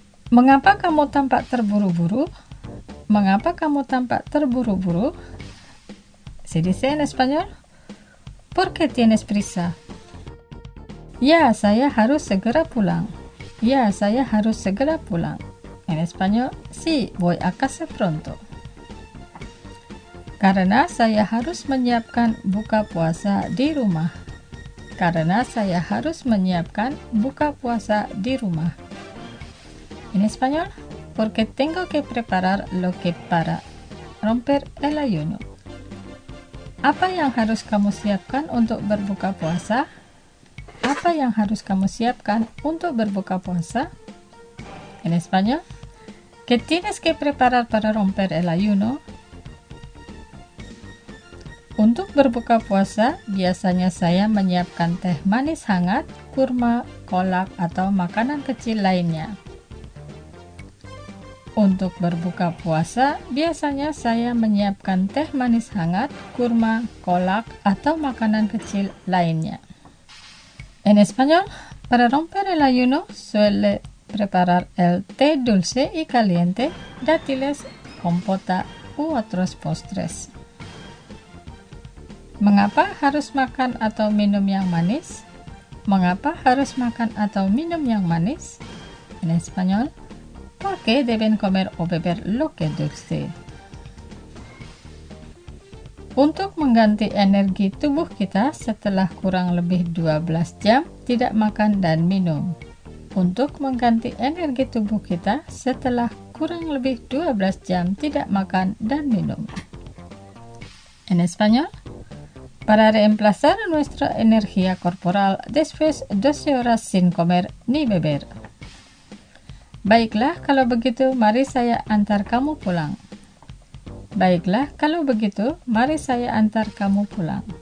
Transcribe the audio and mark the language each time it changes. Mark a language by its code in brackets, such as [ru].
[id] ¿Mengapa kamu tampak terburu-buru? ¿Mengapa kamu tampak terburu-buru? [es] ¿Se dice en español? ¿Por qué tienes prisa? [id] Ya, saya harus segera pulang. Ya, saya harus segera pulang. [es] En español, sí, voy a casa pronto. [id] Karena saya harus menyiapkan buka puasa di rumah. Karena saya harus menyiapkan buka puasa di rumah. [es] En español, porque tengo que preparar lo que para romper el ayuno. [id] Apa yang harus kamu siapkan untuk berbuka puasa? Apa yang harus kamu siapkan untuk berbuka puasa? [es] En español, ¿qué tienes que preparar para romper el ayuno? [id] Untuk berbuka puasa, biasanya saya menyiapkan teh manis hangat, kurma, kolak, atau makanan kecil lainnya. Untuk berbuka puasa, biasanya saya menyiapkan teh manis hangat, kurma, kolak, atau makanan kecil lainnya. [es] En español, para romper el ayuno, suele preparar el té dulce y caliente, dátiles, compota u otros postres. [id] ¿Mengapa harus makan atau minum yang manis? ¿Mengapa harus makan atau minum yang manis? [es] En español, ¿por qué deben comer o beber lo que dulce? [id] Untuk mengganti energi tubuh kita setelah kurang lebih 12 jam tidak makan dan minum. Untuk mengganti energi tubuh kita setelah kurang lebih 12 jam tidak makan dan minum. [es] En español, para reemplazar nuestra energía corporal después 12 horas sin comer ni beber. [id] Baiklah, kalau begitu, mari saya antar kamu pulang. Baiklah, kalau begitu, mari saya antar kamu pulang.